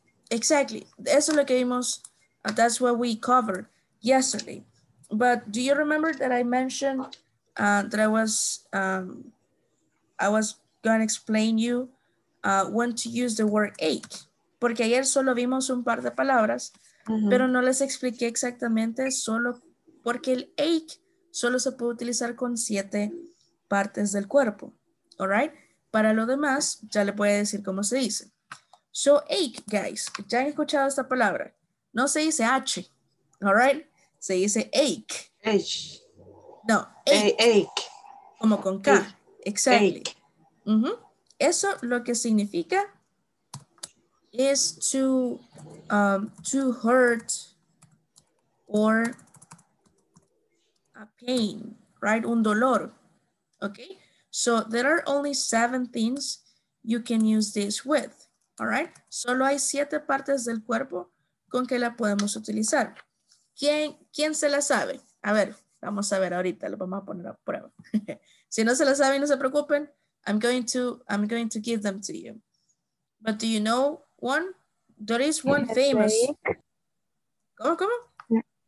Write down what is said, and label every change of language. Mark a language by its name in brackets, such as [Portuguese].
[English] Exactly. [Spanish] Eso es lo que vimos. [English] That's what we covered yesterday. But do you remember that I mentioned... I was going to explain you when to use the word ache. [Spanish] Porque ayer solo vimos un par de palabras, pero no les expliqué exactamente solo porque el ache solo se puede utilizar con 7 partes del cuerpo. [English] All right? [Spanish] Para lo demás, ya le voy a decir cómo se dice. So ache, guys, ya han escuchado esta palabra. No se dice H, [English] all right? [Spanish] Se dice ache. [English] Ache. [Spanish] No, [English] ache. [Spanish] Como con K. Ache. Exactly. Ache. Mm-hmm. Eso lo que significa [English] is to hurt or a pain, right? [Spanish] Un dolor. [English] Okay? So there are only 7 things you can use this with. All right. [Spanish] Solo hay 7 partes del cuerpo con que la podemos utilizar. ¿Quién se la sabe? A ver, vamos a ver ahorita, lo vamos a poner a prueba. Si no se la saben, no se preocupen. [English] I'm going to give them to you. But do you know one? There is one famous. ¿Cómo?